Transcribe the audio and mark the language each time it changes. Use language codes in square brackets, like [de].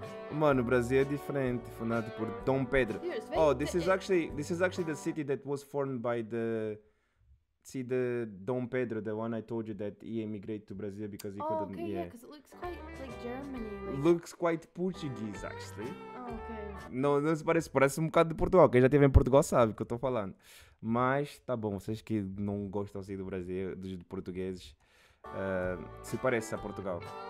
[pt] Mano, o Brasil é diferente, fundado por Dom Pedro. [en] Oh, this is actually the city that was formed by the... See the Dom Pedro, the one I told you that he emigrated to Brazil because he couldn't... Oh, okay, yeah, because it looks quite like Germany. Like... Looks quite Portuguese, actually. Oh, okay. [pt] Não se parece, parece um bocado de Portugal. Quem já esteve em Portugal sabe o que eu estou falando. Mas, tá bom, vocês que não gostam assim do Brasil, dos portugueses, se parece a Portugal.